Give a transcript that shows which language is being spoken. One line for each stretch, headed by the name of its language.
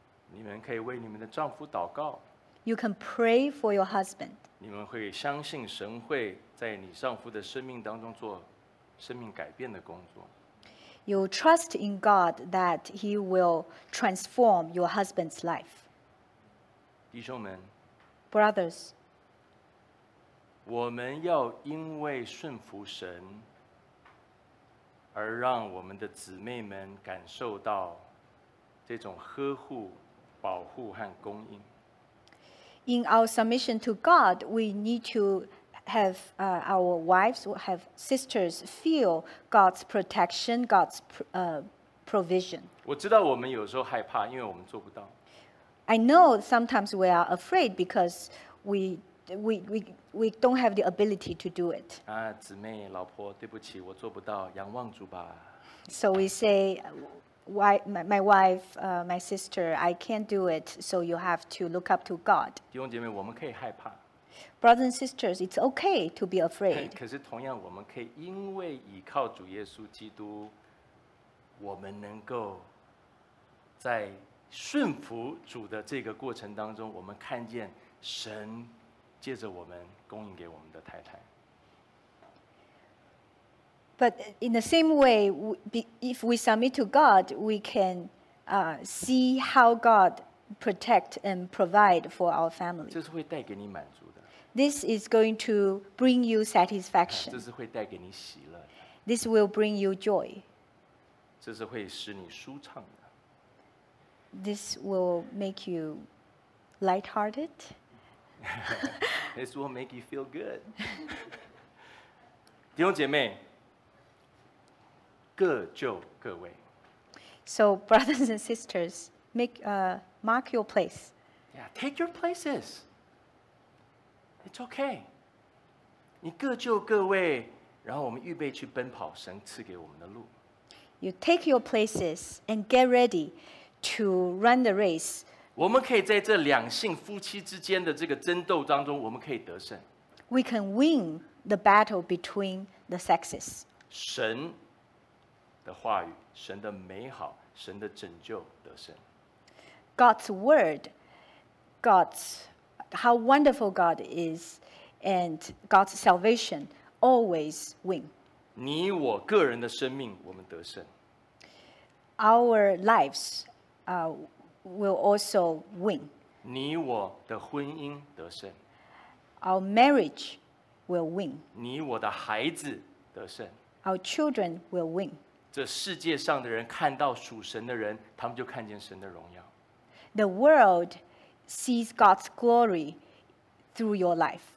Chinese: 你们可以为你们的丈夫祷告。
English: You can pray for your husband.
Chinese: 你们会相信神会在你丈夫的生命当中做生命改变的工作。
English: You trust in God that He will transform your husband's life.
Chinese: 弟兄们
English: ，Brothers，
Chinese: 我们要因为顺服神而让我们的姊妹们感受到这种呵护。保护和供应。
English: In our submission to God, we need to have our wives, have sisters feel God's protection, God's provision.
Chinese: 我知道我们有时候害怕，因为我们做不到。
English: I know sometimes we are afraid because we don't have the ability to do it.
Chinese: 啊，姊妹、老婆，对不起，我做不到，仰望主吧。
English: So we say. Why, my wife, my sister, I can't do it, so you have to look up to God.
Chinese: 弟兄姐妹，我们可以害怕。
English: Brothers and sisters, it's okay to be afraid.
Chinese: 可是同样，我们可以因为倚靠主耶稣基督，我们能够在顺服主的这个过程当中，我们看见神借着我们供应给我们的太太。
English: But in the same way, if we submit to God, we can see how God protect and provide for our family.
Chinese: 这是会带给你满足的。
English: This is going to bring you satisfaction.
Chinese: 这是会带给你喜乐的。
English: This will bring you joy.
Chinese: 这是会使你舒畅的。
English: This will make you lighthearted. This will make you feel good.
Chinese: 弟兄姐妹，各就各位。
English: So brothers and sisters, mark your place. Yeah, take your places. It's okay.
Chinese: 你各就各位，然后我们预备去奔跑神赐给我们的路。
English: You take your places and get ready to run the race.
Chinese: 我们可以在这两性夫妻之间的这个争斗当中，我们可以得胜。
English: We can win the battle between the sexes.
Chinese: 神的话语，神的美好，神的拯救得胜。
English: God's word, God's, how wonderful God is, and God's salvation always win.
Chinese: 你我个人的生命，我们得胜。
English: Our lives, will also win.
Chinese: 你我的婚姻得胜。
English: Our marriage will win.
Chinese: 你我的孩子得胜。
English: Our children will win.
Chinese: 这世界上的人看到属神的人，他们就看见神的荣耀。
English: The world sees God's glory through your life.